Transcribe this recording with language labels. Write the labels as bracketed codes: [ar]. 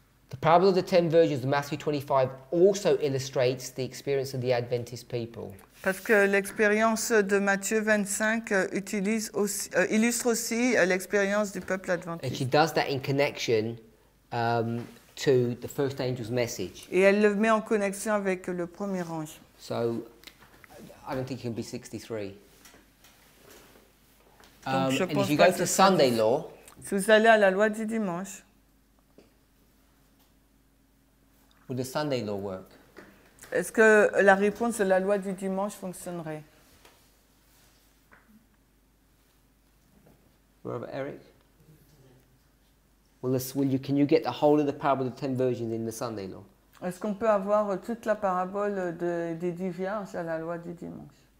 [en] The parable of the ten virgins of Matthew 25 also illustrates the experience of the Adventist people. [fr] Parce que l'expérience de Matthieu 25 utilise aussi, illustre aussi l'expérience du peuple adventiste. [en] And she does that in connection to the first angel's message. [fr] Et elle le met en connexion avec le premier ange. [en] So, I don't think it can be 63. And if you go to Sunday law, [fr] si vous allez à la loi du dimanche, [en] would the Sunday law work? [fr] Est-ce que la réponse de la loi du dimanche fonctionnerait? [en] Robert Eric, can you get the whole of the parable of the ten virgins in the Sunday law? [fr] Est-ce qu'on peut avoir toute la parabole des dix vierges à la loi du dimanche?